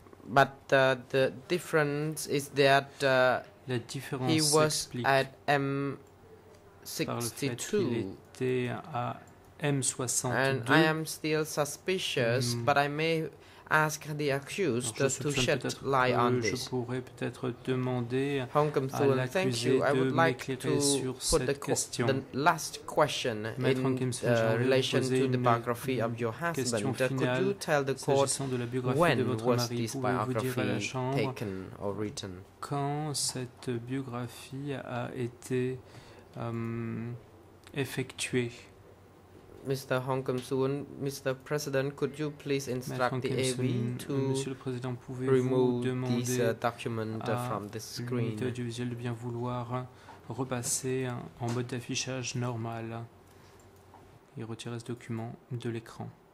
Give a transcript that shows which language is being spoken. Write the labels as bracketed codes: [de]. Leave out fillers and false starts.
[en] But the difference is that he was at M62. And I am still suspicious, but I may ask the accused to shed light on this. [fr] Je pourrais peut-être demander à l'accusé de m'éclairer sur cette question. [en] The last question in relation to the biography of your husband. Could you tell the court when was this biography taken or written? [fr] Quand cette biographie a été effectuée? [en] Mr. Hong Kong-soon, Mr. President, could you please instruct the AV to remove this document from the screen? [fr] Monsieur le Président, pouvez-vous bien vouloir repasser en mode d'affichage normal et retirer ce document de l'écran?